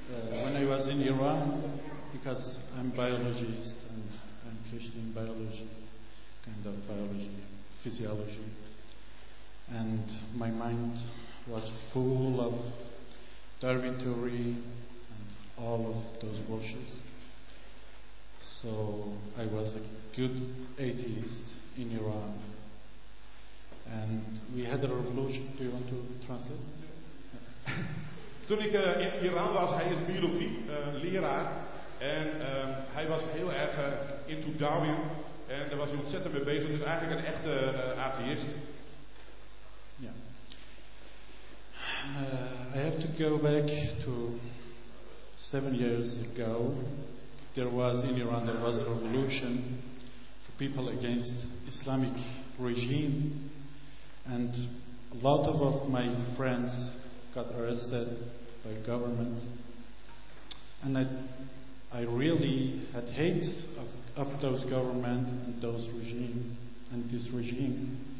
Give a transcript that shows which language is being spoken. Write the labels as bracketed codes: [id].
[en] When I was in Iran, because I'm biologist and I'm Christian in biology, kind of biology, physiology, and my mind was full of Darwin theory and all of those bullshit. So I was a good atheist in Iran. And we had a revolution. Do you want to translate? [nl] Toen ik in Iran was, hij is biologie, leraar. En hij was heel erg into Darwin. En daar was hij ontzettend mee bezig. Dus eigenlijk een echte atheist. Ja. [en] I have to go back to 7 years ago. There was in Iran there was a revolution for people against Islamic regime, and a lot of my friends got arrested by government, and I really had hate of those government and those regime and this regime.